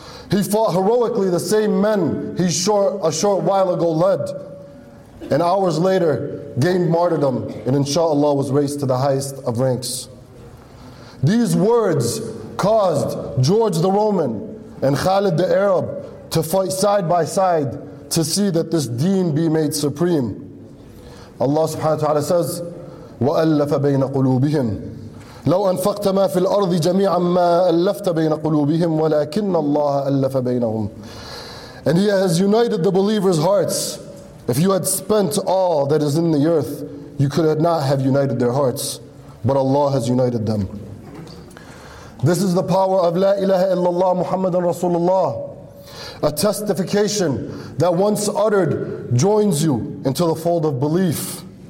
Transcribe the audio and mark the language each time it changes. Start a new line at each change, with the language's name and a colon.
English: He fought heroically the same men he a short while ago led. And hours later, gained martyrdom, and inshallah was raised to the highest of ranks. These words caused George the Roman and Khalid the Arab to fight side by side to see that this deen be made supreme.
Arabic: Allah subhanahu wa ta'ala says, وَأَلَّفَ بَيْنَ قُلُوبِهِمْ لَوْ أَنْفَقْتَ مَا فِي الْأَرْضِ جَمِيعًا مَا أَلَّفْتَ بَيْنَ قُلُوبِهِمْ وَلَكِنَّ اللَّهَ أَلَّفَ بَيْنَهُمْ.
English: And He has united the believers' hearts. If you had spent all that is in the earth, you could not have united their hearts. But Allah has united them. This is the power of La ilaha illallah Muhammadan Rasulullah. A testification that once uttered joins you into the fold of belief.